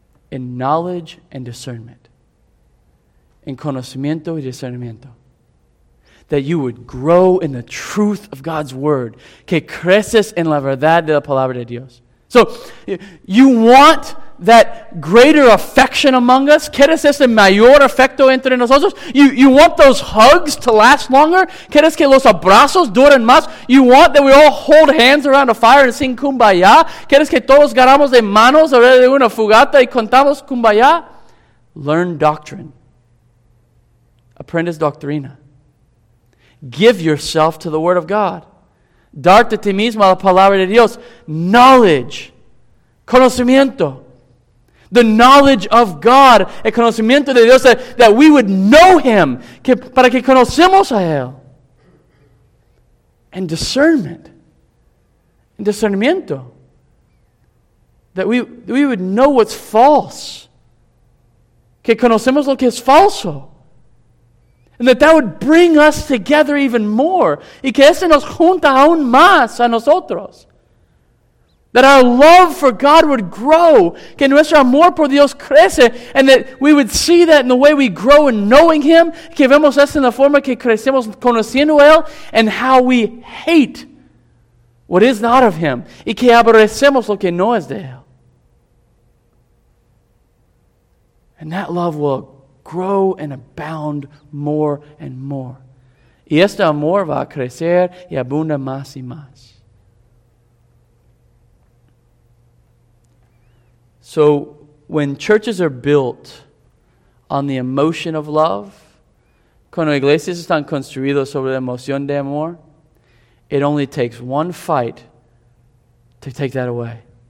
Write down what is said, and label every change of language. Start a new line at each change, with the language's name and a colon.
English: In knowledge and discernment.
Spanish: En conocimiento y discernimiento.
English: That you would grow in the truth of God's word.
Spanish: Que creces en la verdad de la palabra de Dios.
English: So, you want that greater affection among us?
Spanish: ¿Quieres ese mayor afecto entre nosotros?
English: You want those hugs to last longer?
Spanish: ¿Quieres que los abrazos duren más?
English: You want that we all hold hands around a fire and sing kumbaya?
Spanish: ¿Quieres que todos agarramos de manos alrededor de una fogata y contamos kumbaya?
English: Learn doctrine.
Spanish: Aprendes doctrina.
English: Give yourself to the Word of God.
Spanish: Darte a ti mismo a la palabra de Dios.
English: Knowledge.
Spanish: Conocimiento.
English: The knowledge of God.
Spanish: El conocimiento de Dios.
English: That we would know Him.
Spanish: Que, para que conocemos a Él.
English: And discernment. And discernimiento. That we would know what's false.
Spanish: Que conocemos lo que es falso.
English: And that would bring us together even more.
Spanish: Y que ese nos junta aún más a nosotros.
English: That our love for God would grow.
Spanish: Que nuestro amor por Dios crece.
English: And that we would see that in the way we grow in knowing Him.
Spanish: Que vemos eso en la forma que crecemos conociendo a Él.
English: And how we hate what is not of Him.
Spanish: Y que aborrecemos lo que no es de Él.
English: And that love will grow and abound more and more.
Spanish: Y este amor va a crecer y abunda más y más.
English: So, when churches are built on the emotion of love,
Spanish: cuando iglesias están construidas sobre la emoción de amor,
English: it only takes one fight to take that away.